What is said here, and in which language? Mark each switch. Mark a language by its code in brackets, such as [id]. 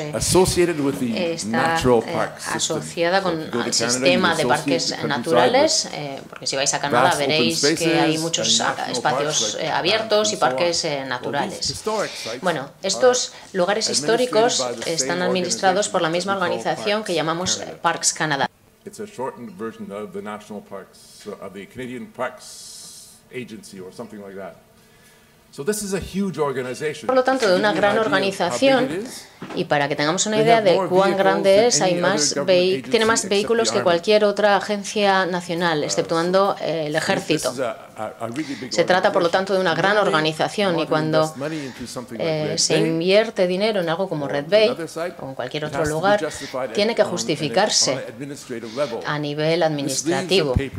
[es] Está asociada con el sistema de parques naturales, porque si vais a Canadá veréis que hay muchos espacios abiertos y parques naturales. Bueno, estos lugares históricos están administrados por la misma organización que llamamos Parks Canada. [en] It's a shortened version of the National Parks, of the Canadian Parks Agency or something like that. So this is a huge organization. [es] Por lo tanto, de una gran organización, y para que tengamos una idea de cuán grande es, tiene más vehículos que cualquier otra agencia nacional, exceptuando el ejército. Se trata, por lo tanto, de una gran organización, y cuando se invierte dinero en algo como Red Bay o en cualquier otro lugar, tiene que justificarse a nivel administrativo.